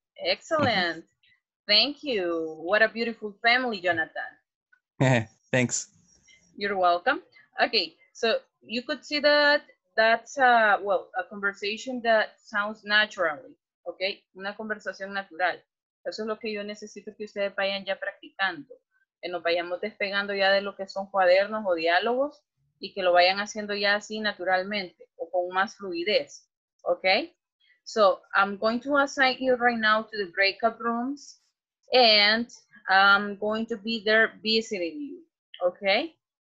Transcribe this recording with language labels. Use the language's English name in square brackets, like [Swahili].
[English] Excellent. Thank you. What a beautiful family, Jonathan. Thanks. You're welcome. Okay, so you could see that's a conversation that sounds naturally, okay? [Spanish] Una conversación natural. Eso es lo que yo necesito que ustedes vayan ya practicando, que nos vayamos despegando ya de lo que son cuadernos o diálogos y que lo vayan haciendo ya así naturalmente o con más fluidez, okay? [English] So I'm going to assign you right now to the breakout rooms and I'm going to be there visiting you, okay?